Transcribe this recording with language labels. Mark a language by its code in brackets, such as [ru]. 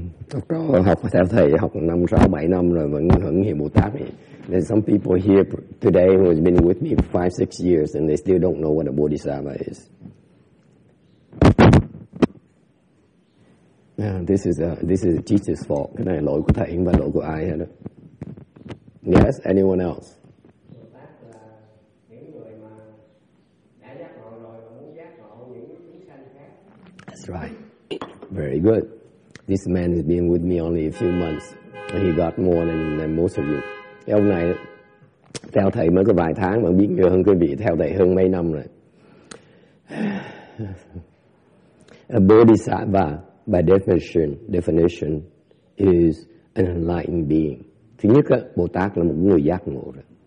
[vi] Tôi có học theo thầy học 5, 6, 7 năm rồi vẫn hưởng hiệu Bồ Tát. [en] There's some people here today who have been with me for 5, 6 years and they still don't know what a bodhisattva is. This is a teacher's fault. [vi] Cái này lỗi của thầy, không phải lỗi của ai hết đó. [en] Yes, anyone else? Right. Very good. This man has been with me only a few months, and he got more than most of you. [vi] Ông này theo thầy mới có vài tháng mà biết nhiều hơn quý vị theo thầy hơn mấy năm rồi. [en] A bodhisattva, by definition, is an enlightened being. [vi] Thứ nhất, Bồ Tát là một người giác ngộ rồi.